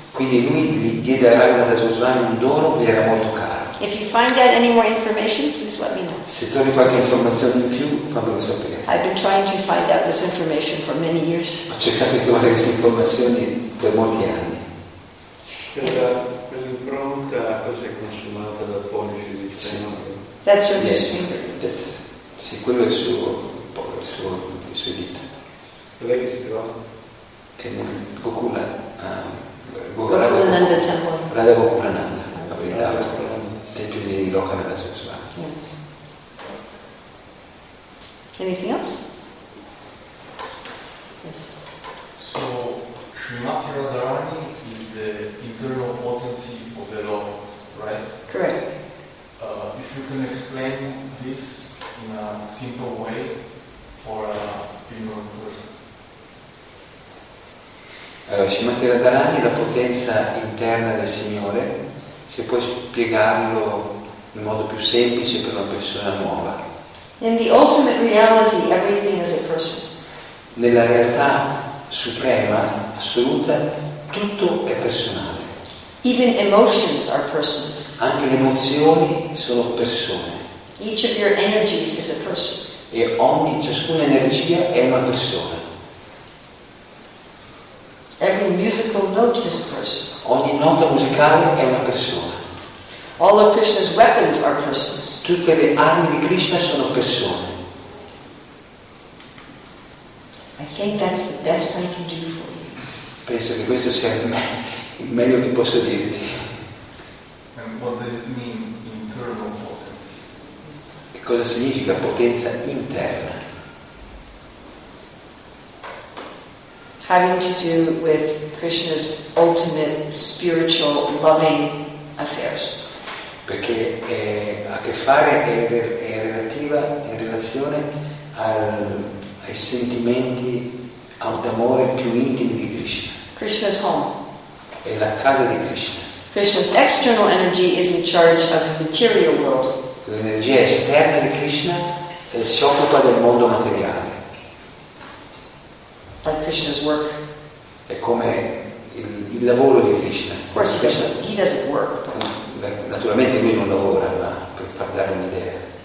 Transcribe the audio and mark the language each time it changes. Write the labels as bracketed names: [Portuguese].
[Italian] Quindi lui gli diede a Raghunatha Goswami un dono che era molto caro. [English] If you find out any more information, please let me know. [Italian] Se trovi qualche informazione in più, fammelo sapere. [English] I've been trying to find out this information for many years. [Italian] Ho cercato di trovare queste informazioni per molti anni. L'impronta cosa è consumata dal pollice di Chaitanya? [English] That's from his finger. [Italian] That's, sì, quello è il suo dita. Dove che si trova? È nel Gokula. [English] Gokulananda Temple. [Italian] Radha Gokulananda, a Vrindavan, tempio di Lokananda Goswami. [English] Yes. Anything else? Yes. So, Srimati Radharani is the internal potency of the Lord, right? Correct. If you can explain this in a simple way for a human person. [Italian] Srimati Radharani è la potenza interna del Signore, se puoi spiegarlo in modo più semplice per una persona nuova. [English] In the ultimate reality, everything is a person. [Italian] Nella realtà suprema, assoluta, tutto è personale. [English] Even emotions are persons. [Italian] Anche le emozioni sono persone. [English] Each of your energies is a person. [Italian] E ciascuna energia è una persona. [English] Every musical note is a person. [Italian] Ogni nota musicale è una persona. [English] All of Krishna's weapons are persons. [Italian] Tutte le armi di Krishna sono persone. [English] I think that's the best I can do for you. [Italian] Penso che questo sia il meglio che posso dirti. [English] And what does it mean, internal potency? [Italian] Che cosa significa potenza interna? [English] Having to do with Krishna's ultimate spiritual loving affairs. [Italian] Perché ha a che fare è relativa in relazione ai sentimenti d'amore più intimi di Krishna. [English] Krishna's home. [Italian] È la casa di Krishna. [English] Krishna's external energy is in charge of the material world. [Italian] L'energia esterna di Krishna si occupa del mondo materiale. [English] Like Krishna's work. [Italian] È come il lavoro di Krishna. [English] Of course, Krishna, he doesn't work. [Italian] Naturalmente lui non lavora, ma per far dare un'idea.